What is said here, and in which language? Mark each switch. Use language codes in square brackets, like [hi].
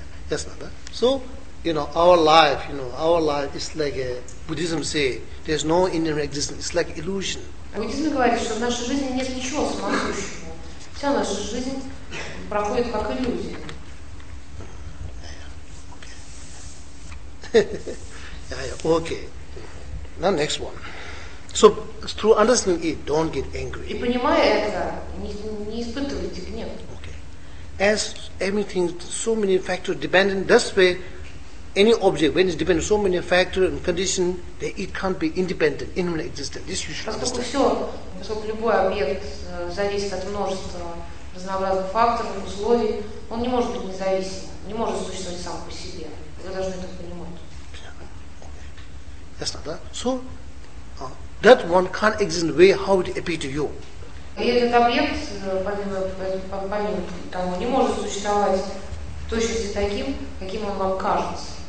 [en] Yes, Nada. So, you know, our life is like a Buddhism say, there's no inner existence, it's like illusion. [ru] Буддизм говорит, что в нашей жизни нет ничего самосущего. Вся наша жизнь проходит как иллюзия. [en] Okay. Now next one. So through understanding it, don't get angry. [ru] И понимая это, не испытывайте гнев. [en] Okay. As everything, so many factors dependent, that's why any object, when it's dependent, so many factors and conditions, that it can't be independent, inherent existence. This you should understand. [ru] Поскольку любой объект зависит от множества разнообразных факторов, условий, он не может быть независимым, не может существовать сам по себе. Вы должны это понимать. Ясно, да? [en] So, that one can't exist in the way how it appears to you. [ru] И этот объект, помимо того, не может существовать в точности таким, каким он вам кажется.